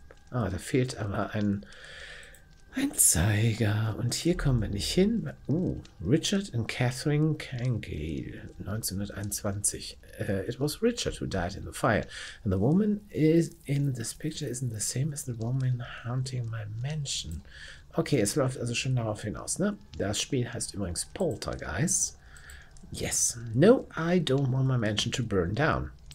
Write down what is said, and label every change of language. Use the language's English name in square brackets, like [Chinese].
[German] Ah, da fehlt aber ein Zeiger. Und hier kommen wir nicht hin. Richard and Catherine Cangale, 1921. [English] It was Richard who died in the fire. And the woman is in this picture isn't the same as the woman haunting my mansion. [German] Okay, es läuft also schon darauf hinaus, ne? Das Spiel heißt übrigens Poltergeist. Yes. [English] No, I don't want my mansion to burn down.